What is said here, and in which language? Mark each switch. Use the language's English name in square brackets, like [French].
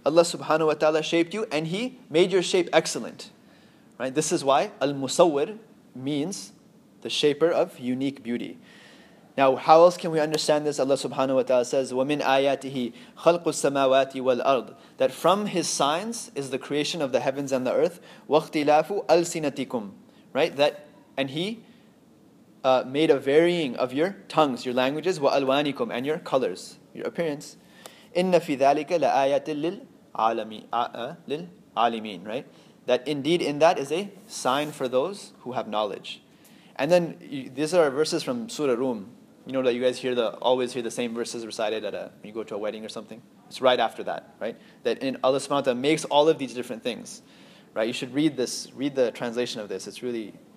[English] Allah subhanahu wa ta'ala shaped you, and He made your shape excellent. Right? This is why al-musawwir means the shaper of unique beauty. Now, how else can we understand this? Allah subhanahu wa ta'ala says, [Arabic] وَمِنْ آيَاتِهِ خَلْقُ السَّمَاوَاتِ وَالْأَرْضِ, [English] that from His signs is the creation of the heavens and the earth. [Arabic] وَاخْتِلَافُ أَلْسِنَتِكُمْ, right? [English] That, and He made a varying of your tongues, your languages, وَأَلْوَانِكُمْ, and your colors, your appearance. [Arabic] إِنَّ فِي ذَلِكَ لَآيَاتٍ لِلْعَالِمِينَ, right? [English] That indeed in that is a sign for those who have knowledge. And then these are verses from Surah Rum. You know that you guys always hear the same verses recited when you go to a wedding or something. It's right after that, right? That in Allah subhanahu wa ta'ala makes all of these different things, right? You should read this, read the translation of this. It's really